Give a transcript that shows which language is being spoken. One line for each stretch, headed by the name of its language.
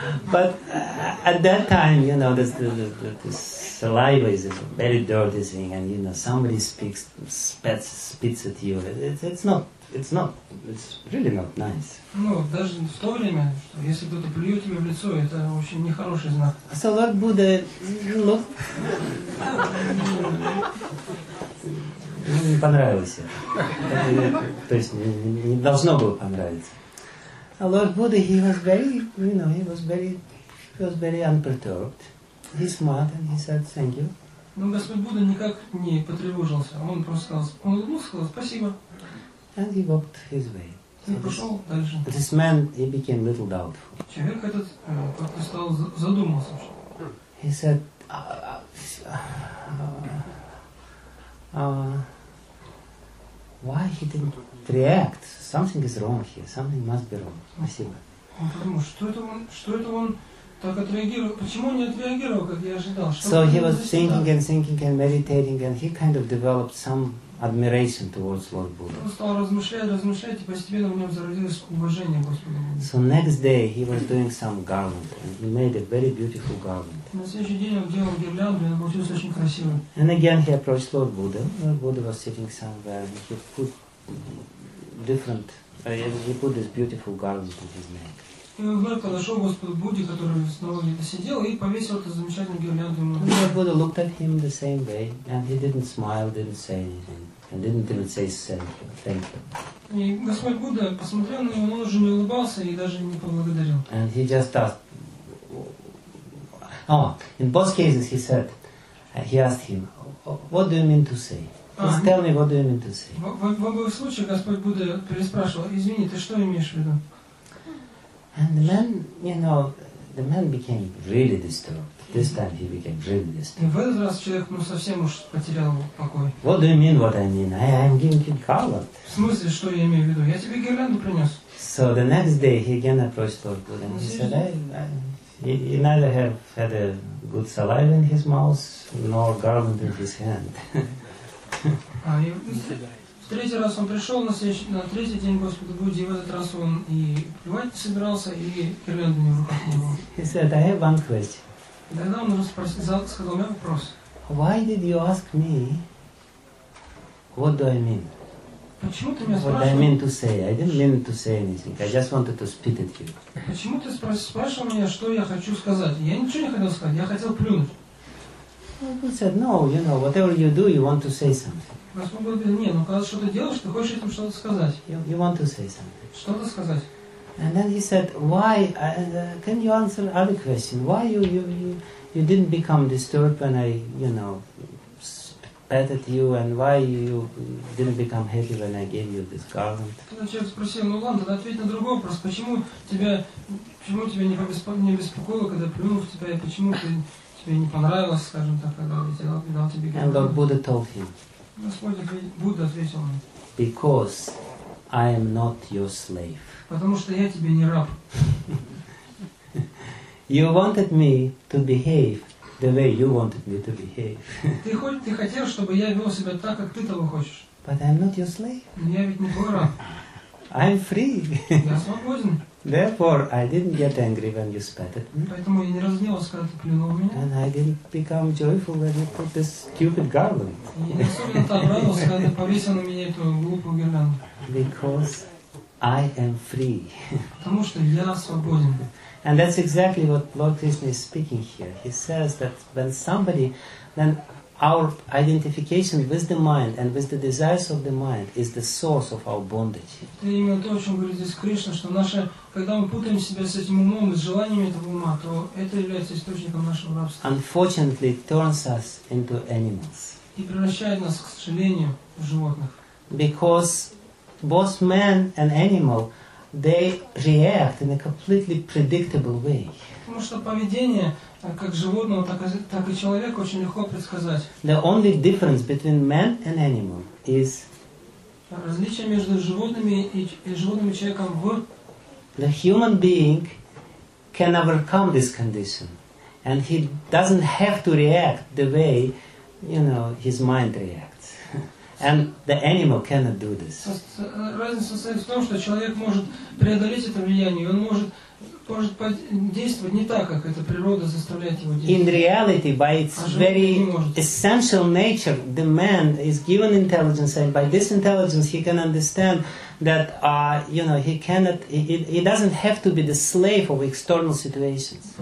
English: But at that time, you know, this saliva is a very dirty thing, and you know, somebody spits at you. It's really not nice.
Russian: Ну, даже в то время, что если кто-то плюет тебе в лицо, это очень нехороший знак.
English: So Lord Buddha, look.
Russian: Не понравилось это. То есть не должно было понравиться. А
English: Lord Buddha, he was very, you know, he was very unperturbed. He smiled and he said thank you.
Russian: Но Господь Будда никак не потревожился. Он просто сказал, он улыбнулся, сказал спасибо.
English: And he walked his way.
Russian: И пошел дальше.
English: This man, he became a little doubtful.
Russian: Человек этот как-то стал задумался.
English: He said, why he didn't react? Something is wrong here. Something must be wrong.
Russian: Спасибо. Он подумал, что это он так отреагировал? Почему он не отреагировал, как я ожидал?
English: So he was thinking and meditating, and he kind of developed some admiration towards Lord Buddha.
Russian: Он стал размышлять, и постепенно в нем зародилось уважение к Господу Будде.
English: So next day he was doing some garland, and he made a very beautiful garland.
Russian: На следующий день он делал гирлянду, и она получилась очень красивой.
English: And again he approached Lord Buddha. Lord Buddha was sitting somewhere, and he put different, he put this beautiful garland on his neck.
Russian: И он вновь подошел к Господу Будде, который снова где-то сидел, и повесил эту замечательную гирлянду ему.
English: And Lord Buddha looked at him the same way, and he didn't smile, didn't say anything, and didn't even say thank you.
Russian: И Господь Будда посмотрел на него, но он уже не улыбался и даже не поблагодарил.
English: And he just asked, in both cases he said, he asked him, what do you mean to say? Just tell me, what do you mean to say?
Russian: В обоих случаях Господь Будда переспрашивал, извини, ты что имеешь в виду?
English: And the man, you know, the man became really disturbed. This time he became really disturbed.
Russian: И в этот раз человек, ну, совсем уж потерял покой.
English: What do you mean, what I mean? I'm giving you garland.
Russian: В смысле, что я имею в виду? Я тебе гирлянду принес.
English: So the next day he again approached Lord Buddha and he said, he neither have had a good saliva in his mouth, nor garland in his hand.
Russian: В третий раз он пришел на третий день Господу Будде, и в этот раз он и плевать собирался, и гирлянду не в руках не было.
English: He said, I have one question.
Russian: Тогда он сказал, у меня вопрос.
English: Why did you ask me, what do I mean?
Russian: Почему ты меня спрашивал?
English: What I mean to say? I didn't mean to say anything. I just wanted to spit at you.
Russian: Почему ты спрашивал меня, что я хочу сказать? Я ничего не хотел сказать, я хотел плюнуть.
English: He said, no, you know, whatever you do, you want to say something.
Russian: Господь говорит, не, ну когда что-то делаешь, ты хочешь этим что-то сказать.
English: You want to say something.
Russian: Что-то сказать.
English: And then he said, why, can you answer other question? Why you didn't become disturbed when I, you know, spat at you, and why you didn't become happy when I gave you this garland?
Russian: Когда человек спросил, ну ладно, тогда ответь на другой вопрос. Почему тебя не беспокоило, когда плюнул в тебя, и почему ты... Тебе не понравилось, скажем так, когда я дал тебе гирлянду.
English: And Lord Buddha told him.
Russian: Господь Будда ответил ему.
English: Because I am not your slave.
Russian: Потому что я тебе не раб.
English: You wanted me to behave the way you wanted me to behave.
Russian: Ты хотел, чтобы я вел себя так, как ты того хочешь.
English: But I am not your slave.
Russian: Но я ведь не твой раб.
English: I am free.
Russian: Я свободен.
English: Therefore, I didn't get angry when you spat at me.
Russian: Поэтому я не разгневался, когда ты плюнул в меня.
English: And I didn't become joyful when you put this stupid garland.
Russian: Я особенно обрадовался, когда ты повесил на меня эту глупую гирлянду.
English: Because I am free.
Russian: Потому что я свободен.
English: And that's exactly what Lord Krishna is speaking here. He says that when somebody, then our identification with the mind and with the desires of the mind is the source of our bondage.
Russian: Это именно то, о чем говорит здесь Кришна, что наше, когда мы путаем себя с этим умом и с желаниями этого ума, то это является источником нашего рабства.
English: Unfortunately, it turns us into animals.
Russian: И превращает нас, к сожалению, в животных.
English: Because both man and animal, they react in a completely predictable way.
Russian: Потому что поведение как животного, так и человека очень легко предсказать.
English: The only difference between man and animal is
Russian: различие между животными и животным человеком в
English: the human being can overcome this condition, and he doesn't have to react the way, you know, his mind reacts. And the animal cannot do this.
Russian: Разница состоит в том, что человек может преодолеть это влияние, он может действовать не так, как эта природа заставляет его действовать.
English: In reality, by its very essential nature, the man is given intelligence, and by this intelligence, he can understand that, you know, he doesn't have to be the slave of external situations.